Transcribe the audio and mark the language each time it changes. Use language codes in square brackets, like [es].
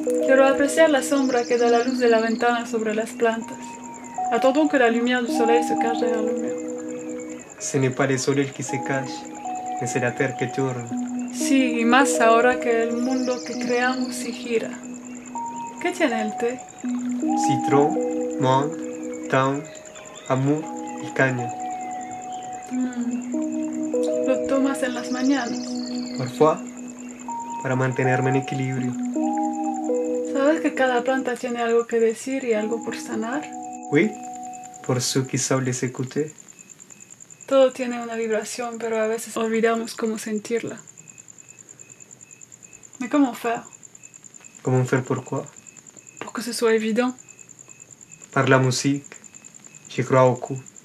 [es] Quiero apreciar la sombra que da la luz de la ventana sobre las plantas. [fr] Attendons que la lumière du soleil se cache derrière le mur. Ce n'est pas le soleil qui se cache, mais c'est la terre qui tourne. [es] Sí, y más ahora que el mundo que creamos se gira. ¿Qué tiene el té? [fr] Citron, menthe, thym, amour [es] y caña. Más en las mañanas. [fr] Parfois, [es] para mantenerme en equilibrio. ¿Sabes que cada planta tiene algo que decir y algo por sanar? [fr] Oui, pour ceux qui savent les écouter. [es] Todo tiene una vibración, pero a veces olvidamos cómo sentirla. [fr] Mais comment faire? Comment faire pourquoi? Pour que ce soit évident. Par la musique, j'y crois beaucoup.